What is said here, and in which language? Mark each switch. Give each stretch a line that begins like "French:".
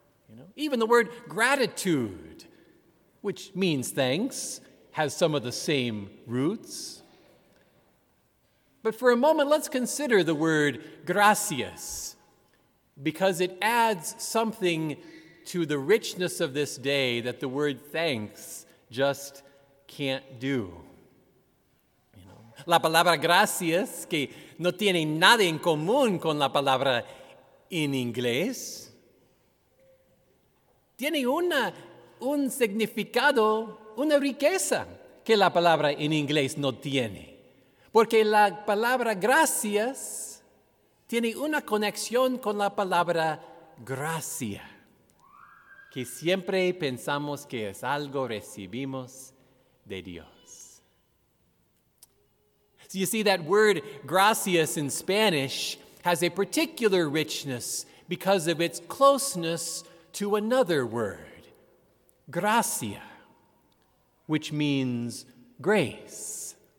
English: You know, even the word gratitude, which means thanks, has some of the same roots. But for a moment, let's consider the word gracias, because it adds something to the richness of this day that the word thanks just can't do.
Spanish: You know, la palabra gracias, que no tiene nada en común con la palabra en inglés, tiene un significado, una riqueza que la palabra en inglés no tiene. Porque la palabra gracias tiene una conexión con la palabra gracia, que siempre pensamos que es algo recibimos de Dios.
English: So you see, that word gracias in Spanish has a particular richness because of its closeness to another word, gracia, which means grace.